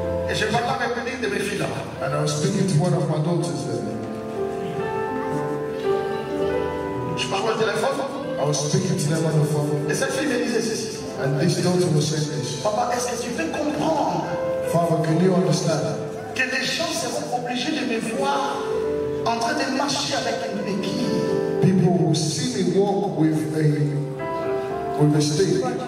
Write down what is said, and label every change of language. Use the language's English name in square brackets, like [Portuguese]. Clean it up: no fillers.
[French] Et je parlais avec une de mes filles là-bas. [English] And I was speaking to one of my daughters there. [French] Je parlais au téléphone. [English] I was speaking to them on the phone. [French] Et cette fille me disait ceci. [English] And this daughter was saying this. [French] Papa, est-ce que tu veux comprendre? [English] Father, can you understand? [French] Que les gens seront obligés de me voir en train de marcher avec une béquille. [English] People will see me walk with a stick.